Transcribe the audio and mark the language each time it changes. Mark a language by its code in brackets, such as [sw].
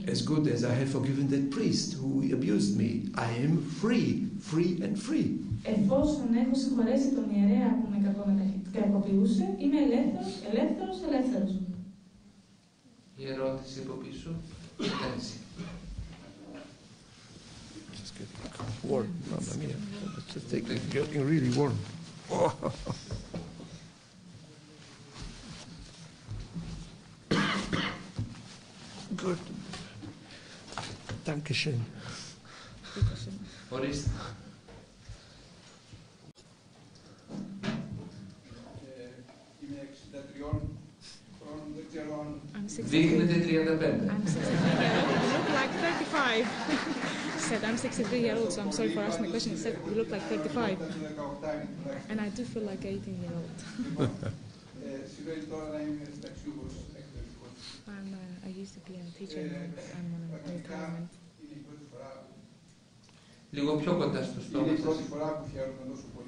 [en] As good as I have forgiven that priest who abused me. I am free. Free and free. [el] Εφόσον έχω συγχωρέσει τον ιερέα που με κακοποιούσε, είμαι ελεύθερος, ελεύθερος, ελεύθερος. Η ερώτηση από πίσω. [en] Just getting warm, Mamma Mia. Just getting really warm. Good. Dankeschön. What is? [el] Δείχνετε 35. [en] You look like 35. Said I'm 63 years old, so I'm sorry for asking the question. Said you look like 35. And I do feel like 18 years old. I used to be a teacher, and I'm on retirement. [el] Λίγο πιο κοντά στο στόμα σας.